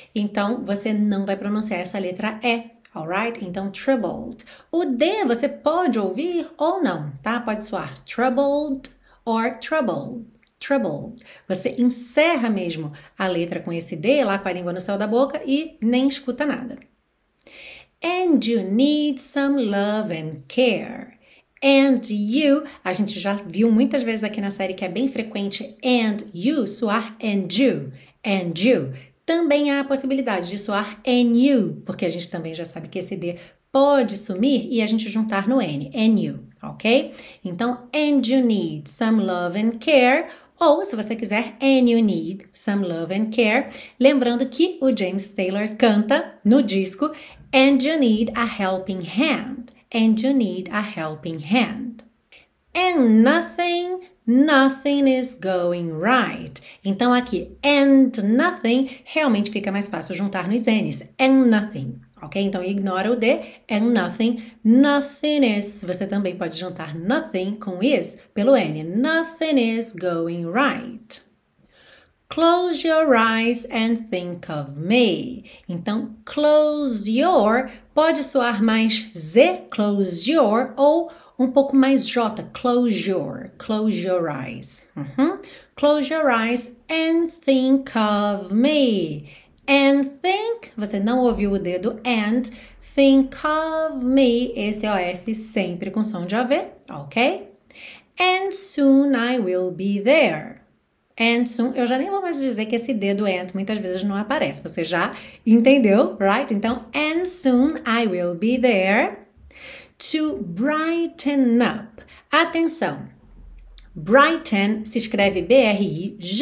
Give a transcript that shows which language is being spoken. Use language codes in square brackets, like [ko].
[pt] Então, você não vai pronunciar essa letra E, alright? Então, [en] troubled. [pt] O D você pode ouvir ou não, tá? Pode soar [en] troubled or troubled. Troubled. [pt] Você encerra mesmo a letra com esse D lá com a língua no céu da boca e nem escuta nada. [en] And you need some love and care. [pt] And you, a gente já viu muitas vezes aqui na série que é bem frequente [en] and you [pt] soar and you. Também há a possibilidade de soar [en] and you, [pt] porque a gente também já sabe que esse D pode sumir e a gente juntar no N, and you, ok? [en] Então, and you need some love and care, [pt] ou se você quiser, [en] and you need some love and care. [pt] Lembrando que o James Taylor canta no disco, [en] and you need a helping hand. And you need a helping hand. And nothing, nothing is going right. [pt] Então aqui, [en] and nothing, [pt] realmente fica mais fácil juntar nos N's. [en] And nothing, [pt] ok? Então ignora o D, [en] and nothing, nothing is. [pt] Você também pode juntar [en] nothing [pt] com is pelo N. [en] Nothing is going right. Close your eyes and think of me. [pt] Então, close your pode soar mais Z, close your, ou um pouco mais J, [en] close your eyes. Uhum. Close your eyes and think of me. [pt] And think, você não ouviu o dedo and, [en] think of me, [pt] esse OF sempre com som de AV, ok? [en] And soon I will be there. And soon, [pt] eu já nem vou mais dizer que esse dedo and muitas vezes não aparece. Você já entendeu, [en] right? [pt] Então, [en] and soon I will be there to brighten up. [pt] Atenção, brighten se escreve B-R-I-G-H-T-E-N.